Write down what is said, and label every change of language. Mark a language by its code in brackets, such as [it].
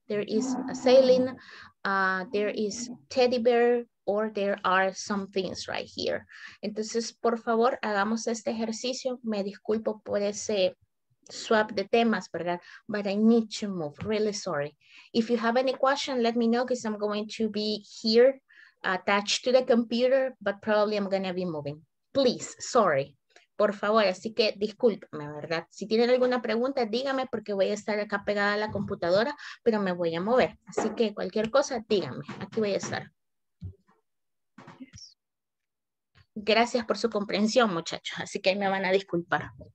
[en] There is a sailing, there is teddy bear, or there are some things right here. [es] Entonces, por favor, hagamos este ejercicio. Me disculpo por ese swap de temas, ¿verdad? [en] But I need to move, really sorry. If you have any question, let me know, because I'm going to be here attached to the computer, but probably I'm going to be moving. Please, sorry. [es] por favor, así que discúlpeme, ¿verdad? Si tienen alguna pregunta, dígame, porque voy a estar acá pegada a la computadora, pero me voy a mover. Así que cualquier cosa, dígame, aquí voy a estar. Gracias por su comprensión, muchachos, así que me van a disculpar.